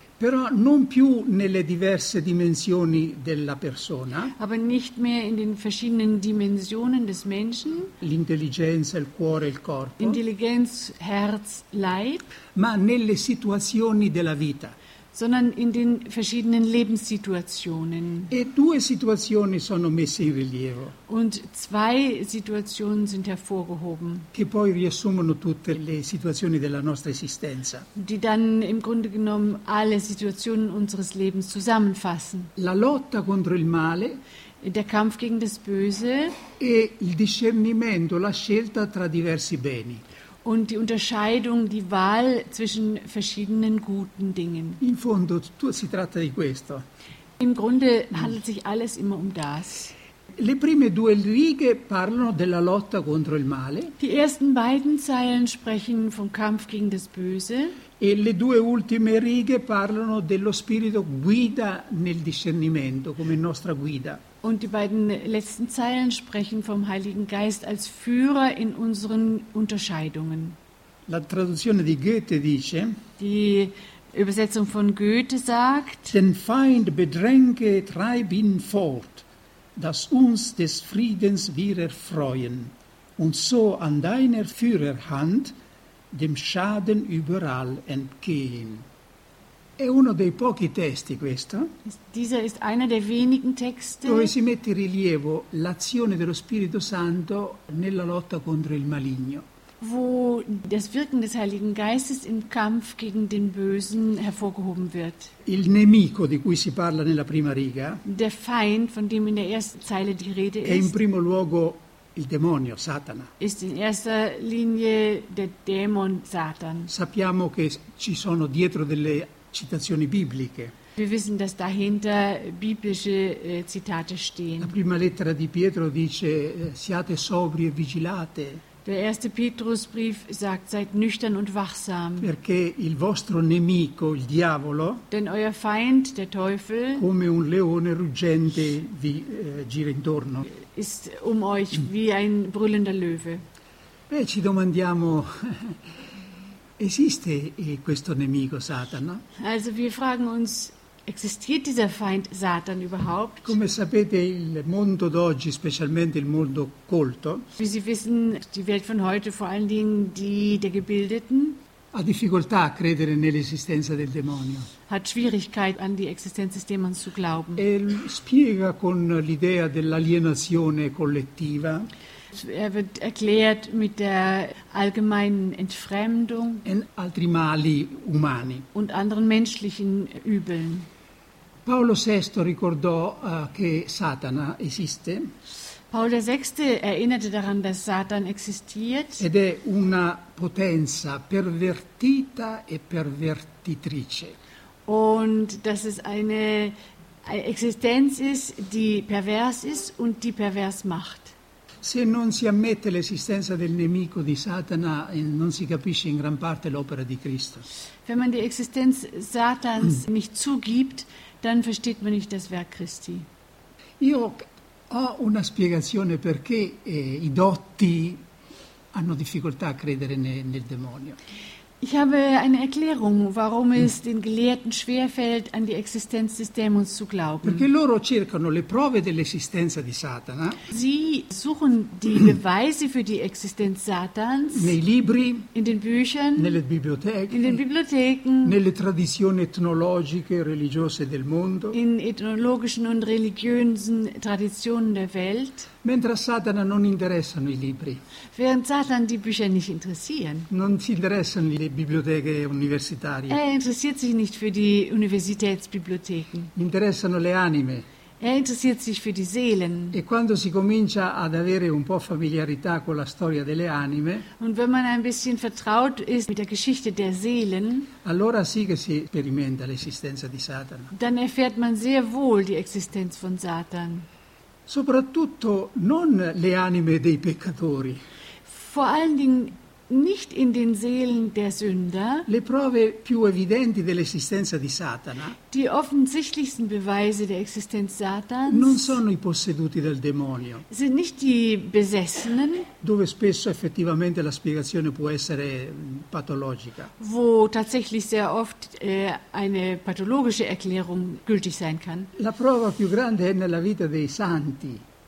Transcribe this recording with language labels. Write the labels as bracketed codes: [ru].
[it] Però non più nelle diverse dimensioni della persona. [de] Aber nicht mehr in den verschiedenen Dimensionen des Menschen. [it] L'intelligenza, il cuore, il corpo. [de] Intelligenz, Herz, Leib. [it] Ma nelle situazioni della vita. [de] Sondern in den verschiedenen Lebenssituationen. [it] E due situazioni sono messe in rilievo. [de] Und zwei Situationen sind hervorgehoben. [it] Che poi riassumono tutte le situazioni della nostra esistenza. [de] Die dann im Grunde genommen alle Situationen unseres Lebens zusammenfassen. [it] La lotta contro il male. [de] Der Kampf gegen das Böse. [it] E il discernimento, la scelta tra diversi beni. [de] Und die Unterscheidung, die Wahl zwischen verschiedenen guten Dingen. [it] In fondo, si tratta di questo. [de] Im Grunde handelt sich alles immer um das. [it] Le prime due righe parlano della lotta contro il male. [de] Die ersten beiden Zeilen sprechen vom Kampf gegen das Böse. [it] E le due ultime righe parlano dello spirito guida nel discernimento, come nostra guida. [de] Und die beiden letzten Zeilen sprechen vom Heiligen Geist als Führer in unseren Unterscheidungen. [it] La traduzione di Goethe dice, [de] die Übersetzung von Goethe sagt, den Feind bedränge, treib ihn fort, dass uns des Friedens wir erfreuen und so an deiner Führerhand dem Schaden überall entgehen. [it] È uno dei pochi testi questo. [de] Dieser ist einer der wenigen Texte. [it] Dove si mette in rilievo l'azione dello Spirito Santo nella lotta contro il maligno. [de] Wo das Wirken des Heiligen Geistes im Kampf gegen den Bösen hervorgehoben wird. [it] Il nemico di cui si parla nella prima riga. [de] Der Feind, von dem in der ersten Zeile die Rede ist. [it] È in primo luogo il demonio, Satana. [de] Ist in erster Linie der Dämon Satan. [it] Sappiamo che ci sono dietro delle citazioni bibliche. [de] Wir wissen, dass dahinter biblische Zitate stehen. [it] La prima lettera di Pietro dice siate sobri e vigilate. [de] Der erste Petrusbrief sagt seid nüchtern und wachsam. [it] Perché il vostro nemico, il diavolo, [de] denn euer Feind, der Teufel, [it] come un leone ruggente vi gira intorno. [de] Ist um euch wie ein brüllender Löwe. [it] Beh, ci domandiamo esiste questo nemico Satana? [de] Also wir fragen uns, existiert dieser Feind Satan überhaupt? [it] Come sapete il mondo d'oggi, specialmente il mondo colto? [de] Wie Sie wissen, die Welt von heute, vor allen Dingen die der Gebildeten, [it] ha difficoltà a credere nell'esistenza del demonio. [de] Hat Schwierigkeit an die Existenz des Dämons zu glauben. [it] E spiega con l'idea dell'alienazione collettiva. [de] Er wird erklärt mit der allgemeinen Entfremdung und [it] altri mali umani [de] und anderen menschlichen Übeln. [it] Paolo VI ricordò che Satana esiste. [de] Paul der VI erinnerte daran, dass Satan existiert. [it] Ed è una potenza pervertita e pervertitrice. [de] Und das ist eine Existenz ist, die pervers ist und die pervers macht. [it] Se non si ammette l'esistenza del nemico di Satana, non si capisce in gran parte l'opera di Cristo. [de] Wenn man die Existenz Satans nicht zugibt, dann versteht man nicht das Werk Christi. [it] Io ho una spiegazione perché i dotti hanno difficoltà a credere nel demonio. [de] Ich habe eine Erklärung, warum es den Gelehrten schwerfällt, an die Existenz des Dämons zu glauben. [it] Perché loro cercano le prove dell'esistenza di Satana. [de] Sie suchen die Beweise für die Existenz Satans. [it] Nei libri, [de] in den Büchern, [it] nelle biblioteche, [de] in den Bibliotheken, [it] nelle tradizioni etnologiche e religiose del mondo, [de] in ethnologischen und religiösen Traditionen der Welt. [it] Mentre a Satana non interessano i libri. [de] Während Satan die Bücher nicht interessieren. [it] Non si interessano le biblioteche universitarie. [de] Er interessiert sich nicht für die Universitätsbibliotheken. [it] Interessano le anime. [de] Er interessiert sich für die Seelen. [it] E quando si comincia ad avere un po' familiarità con la storia delle anime. [de] Und wenn man ein bisschen vertraut ist mit der Geschichte der Seelen. [it] Allora sì che si sperimenta l'esistenza di Satana. [de] Dann erfährt man sehr wohl die Existenz von Satan. [it] Soprattutto non le anime dei peccatori. [de] Vor allen Dingen nicht in den Seelen der Sünder. [it] Le prove più evidenti dell'esistenza di Satana. [de] Die offensichtlichsten Beweise der Existenz Satans. [it] Non sono i posseduti del demonio. [de] Sind nicht die Besessenen. [it] Dove spesso effettivamente la spiegazione può essere patologica. [de] Wo tatsächlich sehr oft eine pathologische Erklärung gültig sein kann. [it] La prova più grande è nella vita dei santi.